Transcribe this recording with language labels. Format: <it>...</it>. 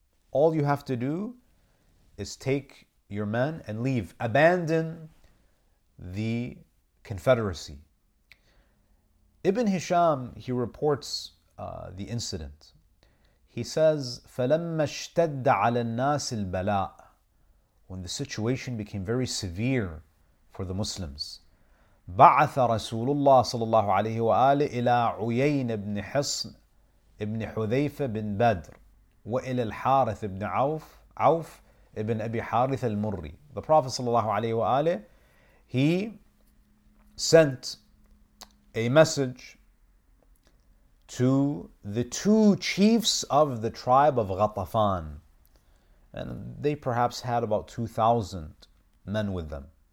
<en>All you have to do is take your men and leave. Abandon the Confederacy. Ibn Hisham, he reports the incident. He says,</en> <ar>فَلَمَّا اشْتَدَّ عَلَى النَّاسِ الْبَلَاءِ.</ar> <en>When the situation became very severe for the Muslims,</en> <ar>بعث رسول الله صلى الله عليه وآله إلى عيين بن حصن ابن حذيفة بن بدر وإلى الحارث بن عوف ابن أبي حارث المري.</ar> <en>The Prophet</en> <ar>صلى الله عليه وآله,</ar> <en>he sent a message to the two chiefs of the tribe of Ghatafan, and they perhaps had about 2,000 men with them.</en>